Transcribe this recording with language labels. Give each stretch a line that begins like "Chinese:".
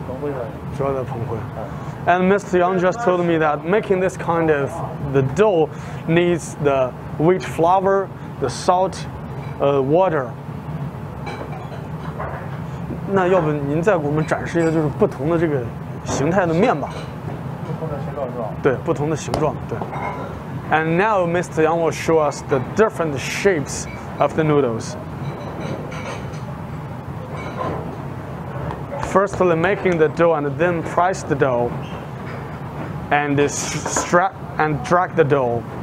Chinese: 那像咱们就是说通过这个面就是用水、面粉、面粉、蓬灰、蓬灰加食盐、哦还有盐，主要是蓬灰的，
English: 。And Mr. Yang just told me that making this kind of the dough needs the wheat flour, the salt, water.
Chinese: 那要不您再给我们展示一个就是不同的这个形态的面吧。对，不同的形状，对。
English: And now Mr. Yang will show us the different shapes of the noodles. Firstly, making the dough and then press the dough and strap and drag the dough.